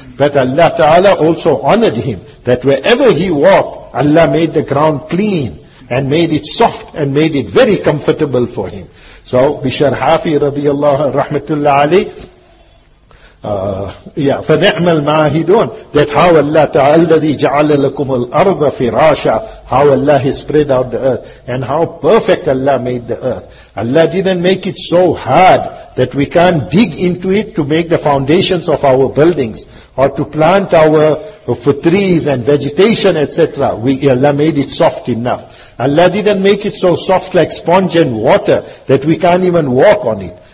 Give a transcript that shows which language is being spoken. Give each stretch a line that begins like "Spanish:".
English: But Allah Ta'ala also honored him, that wherever he walked, Allah made the ground clean, and made it soft, and made it very comfortable for him. So, Bishar Hafi radiyallahu rahmatullah alayh,
Arabic: فَنِعْمَ الْمَاهِدُونَ.
English: That how Allah Ta'ala,
Arabic: الَّذِي جَعَلَ لَكُمُ الْأَرْضَ فِرَاشًا.
English: How Allah has spread out the earth, and how perfect Allah made the earth. Allah didn't make it so hard that we can't dig into it to make the foundations of our buildings, or to plant our for trees and vegetation, etc. Allah made it soft enough. Allah didn't make it so soft like sponge and water that we can't even walk on it.